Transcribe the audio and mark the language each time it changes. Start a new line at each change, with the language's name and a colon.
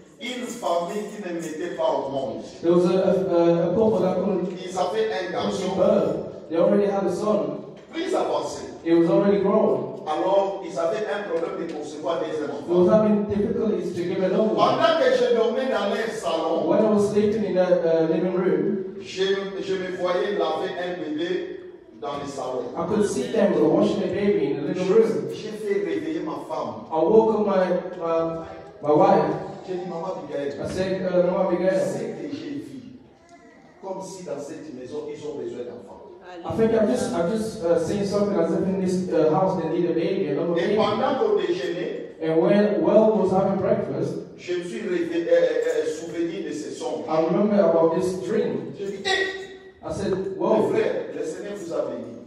French: Une famille qui ne mettait pas au monde.
English: There was a couple that couldn't.
French: Ils avaient un garçon.
English: They already had a son.
French: Plus avancé.
English: It was already grown.
French: Alors ils avaient un problème de concevoir des enfants.
English: There was having difficulties to give another one.
French: Pendant que je dormais dans le salon.
English: When I was sleeping in the living room.
French: Je me voyais laver un bébé dans le salon.
English: I could see them washing a baby in the living room.
French: J'ai fait réveiller ma femme.
English: I woke up my wife.
French: J'ai dit, Maman Miguel.
English: I said, Maman Miguel.
French: C'est que j'ai vu. comme si dans cette maison ils ont besoin d'enfants.
English: I think I've just seen something as if in this house they need a baby, a little baby.
French: Et pendant au déjeuner,
English: and when Will was having breakfast,
French: je me suis souvenir de ces songes.
English: I remember about this dream.
French: Je dis, hey!
English: I said, Well,
French: mon frère, le Seigneur vous a béni.